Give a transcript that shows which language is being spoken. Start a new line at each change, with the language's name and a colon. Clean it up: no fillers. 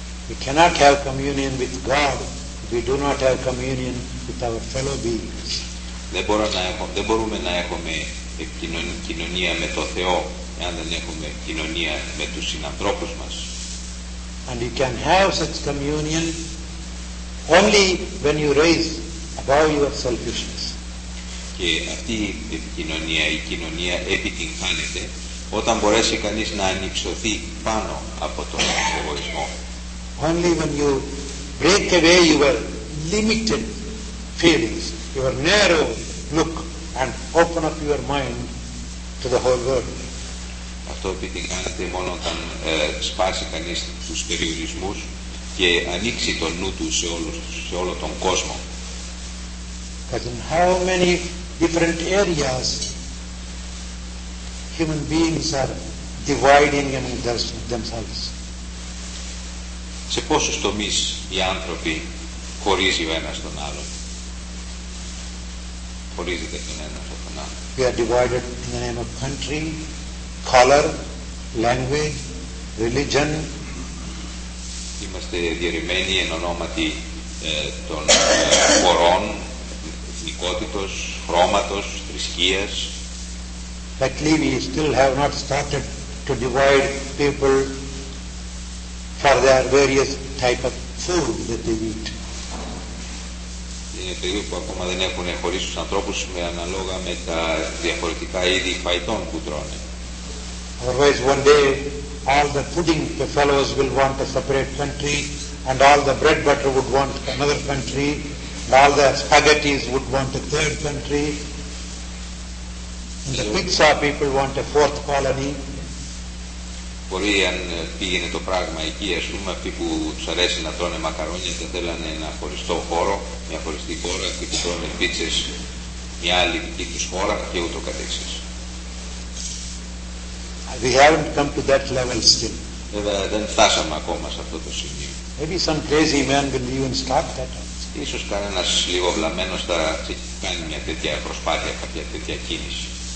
English: We cannot have communion with God if we do not have communion with our fellow beings.
Greek: Δεν μπορούμε να έχουμε κοινωνία με το Θεό εάν δεν έχουμε κοινωνία με τους συνανθρώπους μας.
English: And you can have such communion only when you raise above your selfishness.
Greek: Και αυτή η επικοινωνία, η κοινωνία επιτυγχάνεται όταν μπορέσει κανείς να ανυψωθεί πάνω από τον εγωισμό.
English: Only when you break away your limited feelings, your narrow look and open up your mind to the whole world.
Greek: Αυτό επιτυγχάνεται μόνο όταν σπάσει κανείς τους περιορισμούς και ανοίξει το νου του σε όλο τον κόσμο.
English: Because in how many different areas human beings are dividing among themselves.
Greek: Σε πόσους τομείς οι άνθρωποι χωρίζει ο ένας τον άλλον. Χωρίζεται τον ένας τον άλλον.
English: We are divided in the name of country, color, language, religion.
Greek: Είμαστε διαιρημένοι εν ονόματι των χωρών, εθνικότητος, χρώματος, θρησκείας.
English: Luckily we still have not started to divide people for their various type of food that they eat.
Greek: Είναι περίπου που ακόμα δεν έχουν χωρίσει τους ανθρώπους με αναλόγα με τα διαφορετικά είδη φαϊτών που τρώνε.
English: Otherwise one day all the pudding the fellows will want a separate country and all the bread butter would want another country. All the spaghettis would want a third country. And the pizza people want a fourth colony.
Greek: Μπορεί αν πήγαινε το πράγμα εκεί, ας πούμε, αυτοί που τους αρέσει να τρώνε μακαρόνια και θέλανε ένα χωριστό χώρο, μια χωριστή χώρα, αυτοί που τρώνε πίτσες, μια άλλη δική τους χώρα και ούτω καθεξής.
English: We haven't come to that level still.
Greek: Βέβαια δεν φτάσαμε ακόμα σε αυτό το σημείο.
English: Maybe some crazy man will even start that one.
Greek: Ίσως κανένας λίγο βλαμμένος θα κάνει μια τέτοια προσπάθεια, κάποια τέτοια κίνηση.